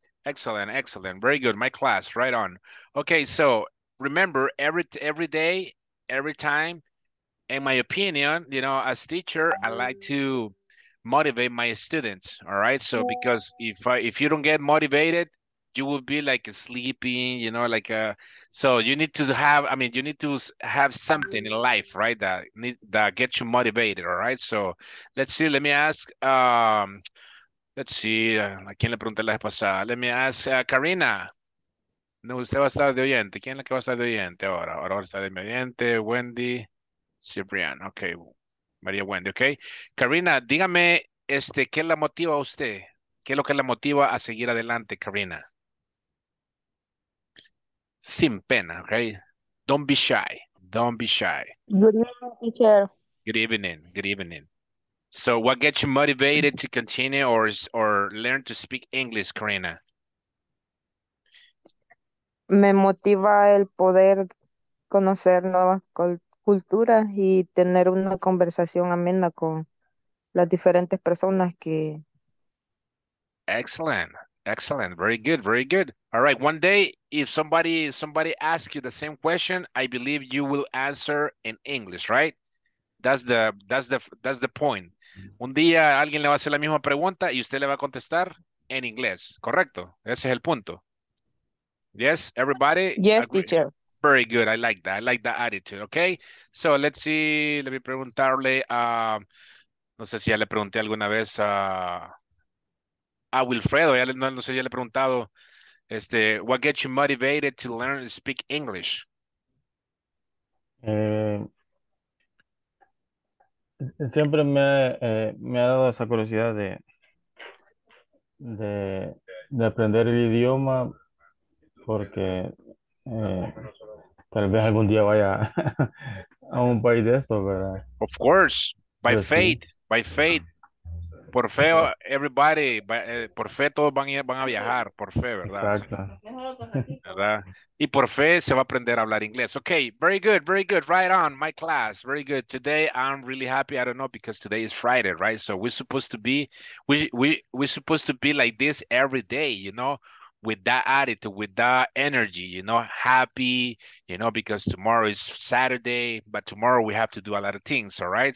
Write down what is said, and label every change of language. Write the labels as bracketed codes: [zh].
[en] Excellent. Very good. My class, right on. Okay, so remember, every day, every time, in my opinion, you know, as teacher, I like to motivate my students, all right? So because if you don't get motivated, you will be like sleeping, you know, like, so you need to have, I mean, you need to have something in life, right? That gets you motivated, all right? So let's see, let me ask, let's see, ¿a quién le pregunté la vez pasada? [es] Let me ask Karina. No, usted va a estar de oyente. ¿Quién es la que va a estar de oyente ahora? Ahora va a estar de mi oyente, Wendy, Cyprian. Okay, María Wendy, okay. Karina, dígame, ¿qué la motiva a usted? ¿Qué es lo que la motiva a seguir adelante, Karina? [en] Sin pena, okay? Don't be shy. Good evening, teacher. Good evening. So what gets you motivated to continue or learn to speak English, Karina? [es] Me motiva el poder conocer nuevas culturas y tener una conversación amena con las diferentes personas que... [en] Excellent. Very good. All right. One day, if somebody asks you the same question, I believe you will answer in English, right? That's the point. [es] Un día alguien le va a hacer la misma pregunta y usted le va a contestar en inglés. Correcto. Ese es el punto. Yes, everybody? [en] Yes, teacher. Very good. I like that. I like that attitude. Okay. So let's see. Let me preguntarle. [es] No sé si ya le pregunté alguna vez a Wilfredo. Ya le, no, no sé si ya le he preguntado. [en] What gets you motivated to learn to speak English? [es] Siempre me ha dado esa curiosidad de aprender el idioma porque tal vez algún día vaya a un país de esto, ¿verdad? [en] Of course, by fate. [es] Por fe, everybody, por fe todos van a viajar, por fe, ¿verdad? Exacto. ¿Verdad? Y por fe se va a aprender a hablar inglés. [en] Okay, very good, right on, my class, very good. Today, I'm really happy, I don't know, because today is Friday, right? So we're supposed to be like this every day, you know, with that attitude, with that energy, you know, happy, you know, because tomorrow is Saturday, but tomorrow we have to do a lot of things, all right?